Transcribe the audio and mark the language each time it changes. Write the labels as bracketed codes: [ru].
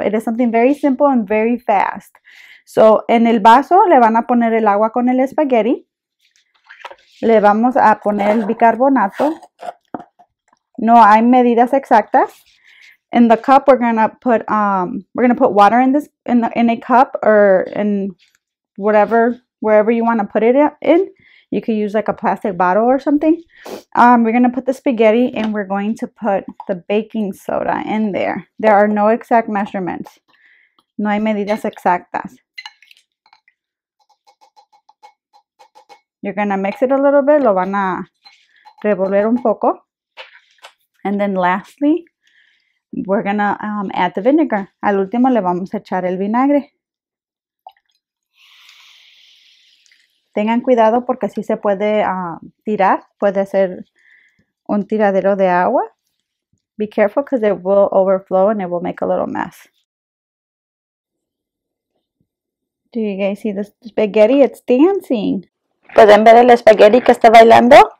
[en] It is something very simple and very fast. [es] So, en el vaso le van a poner el agua con el espagueti. Le vamos a poner el bicarbonato. No hay medidas exactas. [en] In the cup, we're gonna put water in a cup or in wherever you want to put it in. You could use like a plastic bottle or something. We're gonna put the spaghetti and we're going to put the baking soda in there. There are no exact measurements. [es] No hay medidas exactas. [en] You're gonna mix it a little bit. [es] Lo van a revolver un poco. [en] And then lastly, we're gonna add the vinegar. [es] Al último le vamos a echar el vinagre. Tengan cuidado porque si se puede tirar, puede ser un tiradero de agua. [en] Be careful because it will overflow and it will make a little mess. Do you guys see the spaghetti? It's dancing. [es] ¿Pueden ver el spaghetti que está bailando?